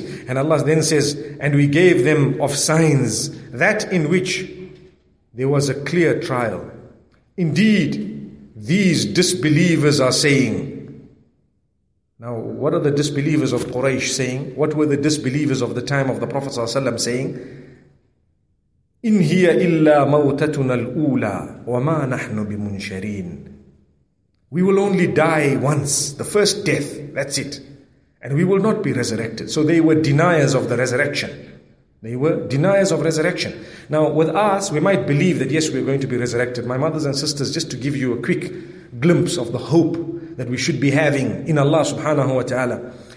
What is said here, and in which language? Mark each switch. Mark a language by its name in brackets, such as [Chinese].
[English] And Allah then says, and we gave them of signs that in which there was a clear trial. Indeed, these disbelievers are saying. Now, what are the disbelievers of Quraysh saying? What were the disbelievers of the time of the Prophet ﷺ saying? [Arabic] إن هي إلا موتتنا الأولى وما نحن بمنشرين. [English] We will only die once, the first death, that's it. And we will not be resurrected. So they were deniers of the resurrection. They were deniers of resurrection. Now with us, we might believe that yes, we're going to be resurrected. My mothers and sisters, just to give you a quick glimpse of the hope that we should be having in Allah subhanahu wa ta'ala.